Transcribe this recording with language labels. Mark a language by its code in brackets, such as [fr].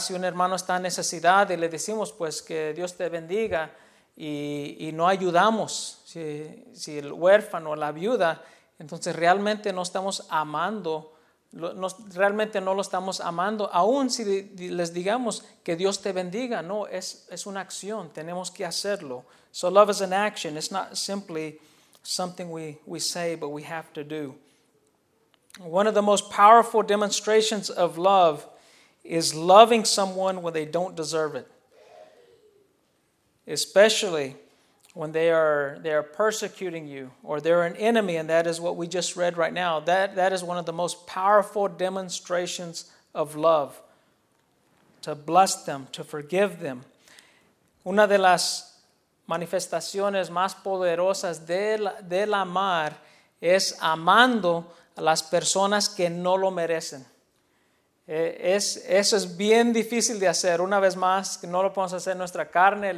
[es] Si un hermano está en necesidad y le decimos, pues, que Dios te bendiga y no ayudamos, si el huérfano o la viuda, entonces realmente no estamos amando, realmente no lo estamos amando, aun si les digamos que Dios te bendiga. No, es una acción, tenemos que hacerlo. [en] So love is an action, it's not simply something we say, but we have to do. One of the most powerful demonstrations of love is loving someone when they don't deserve it. Especially when they are persecuting you or they're an enemy, and that is what we just read right now. That is one of the most powerful demonstrations of love. To bless them, to forgive them. [es] Una de las manifestaciones más poderosas del amar es amando a las personas que no lo merecen. Eso es bien difícil de hacer. Una vez más, no lo podemos hacer en nuestra carne.